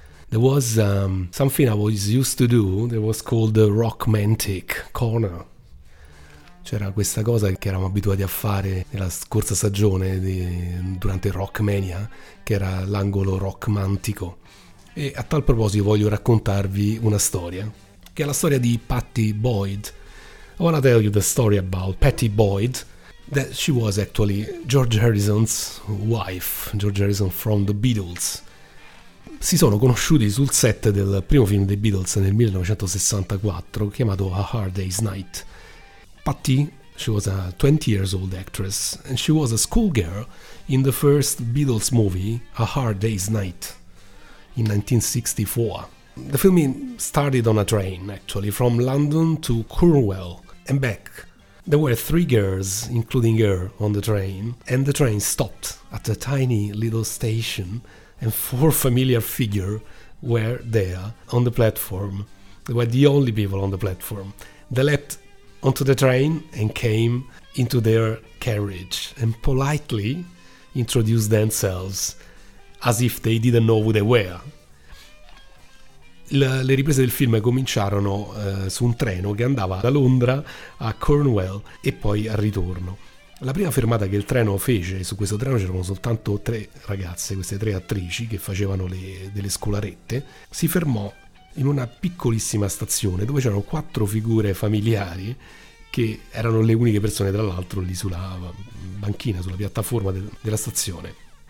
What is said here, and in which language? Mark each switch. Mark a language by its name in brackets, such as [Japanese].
[English] There was something I was used to do that was called the Rockmantic Corner. [Italian] C'era questa cosa che eravamo abituati a fare nella scorsa stagione durante Rockmania, che era l'angolo rockmantico. E a tal proposito voglio raccontarvi una storia, che è la storia di Patty Boyd. [English] I want to tell you the story about Patty Boyd, that she was actually George Harrison's wife, George Harrison from the Beatles. [Italian] Si sono conosciuti sul set del primo film dei Beatles nel 1964, chiamato A Hard Day's Night. [English] Patty, she was a 20 years old actress, and she was a schoolgirl in the first Beatles movie, A Hard Day's Night, in 1964. The filming started on a train, actually, from London to Cornwall and back. There were three girls, including her, on the train, and the train stopped at a tiny little station, and four familiar figures were there on the platform. They were the only people on the platform. They leapt onto the train and came into their carriage and politely introduced themselves as if they didn't know who they were. [Italian] Le riprese del film cominciarono su un treno che andava da Londra a Cornwall e poi al ritorno. La prima fermata che il treno fece, su questo treno c'erano soltanto tre ragazze, queste tre attrici che facevano delle scolarette, si fermò in una piccolissima stazione dove c'erano quattro figure familiari che erano le uniche persone, tra l'altro, lì sulla banchina, sulla piattaforma della stazione.